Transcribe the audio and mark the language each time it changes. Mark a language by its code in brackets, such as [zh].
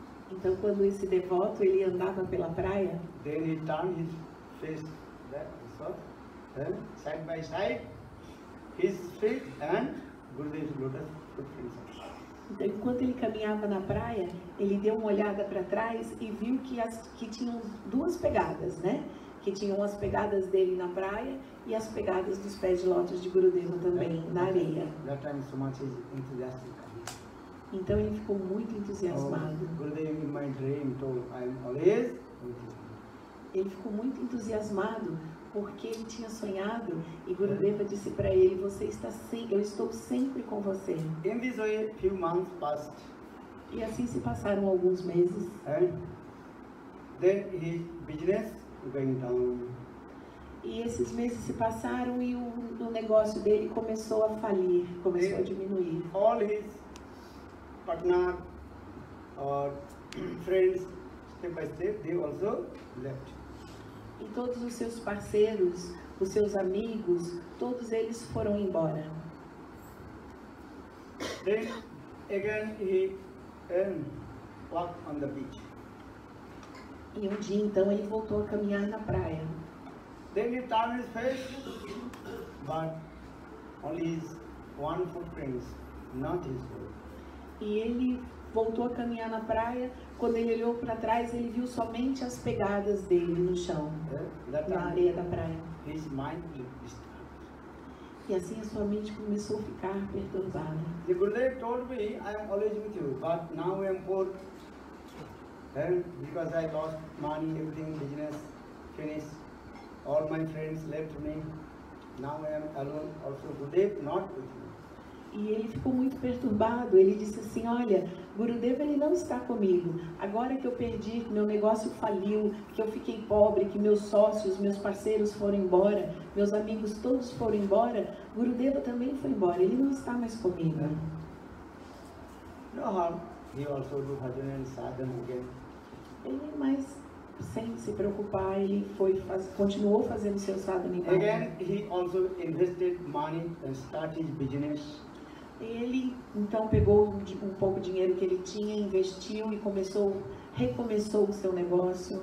[pt] Então quando esse devoto ele andava pela praia, [en] then he turned his face back, side by side, his feet and Gurudev's lotus footprints. [pt] Então, enquanto ele caminhava na praia, ele deu uma olhada para trás e viu que tinham duas pegadas, né? Que tinham as pegadas dele na praia e as pegadas dos pés de lótus de Gurudev também na areia. [en] That time so much is enthusiastic. [pt] Então ele ficou muito entusiasmado. [en] Gurudev in my dream told I'm always with you. [pt] Ele ficou muito entusiasmado porque ele tinha sonhado e Gurudev disse para ele, você está sem, eu estou sempre com você. [en] In this way, few months passed. [pt] E assim se passaram alguns meses. [en] And then his business went down. [pt] E esses meses se passaram e o negócio dele começou a falir, começou a diminuir. [en] All his partner or friends, step by step, they also left. [pt] E todos os seus parceiros, os seus amigos, todos eles foram embora. [en] Then again he walked on the beach. [pt] E um dia então ele voltou a caminhar na praia. [en] Then he turned his face, but only his one footprint, not his foot. [pt] E ele voltou a caminhar na praia. Quando ele olhou para trás, ele viu somente as pegadas dele no chão, na areia da praia. [en] His mind is... [pt] E assim a sua mente começou a ficar perturbada. [en] The Gurudev told me, I am always with you, but now I am poor. And because I lost money, everything, business, finished. All my friends left me. Now I am alone also. Gurudev, not with you. [pt] E ele ficou muito perturbado. Ele disse assim: olha, Gurudev, ele não está comigo. Agora que eu perdi, que meu negócio faliu, que eu fiquei pobre, que meus sócios, meus parceiros foram embora, meus amigos todos foram embora, Gurudev também foi embora. Ele não está mais comigo. [en] No harm. He also do bhajan and sadhan again. [pt] Ele, mas sem se preocupar, ele foi continuou fazendo seu sadhana. [en] Again, he also invested money and started business. [pt] Ele então pegou um pouco de dinheiro que ele tinha, investiu e começou, recomeçou o seu negócio.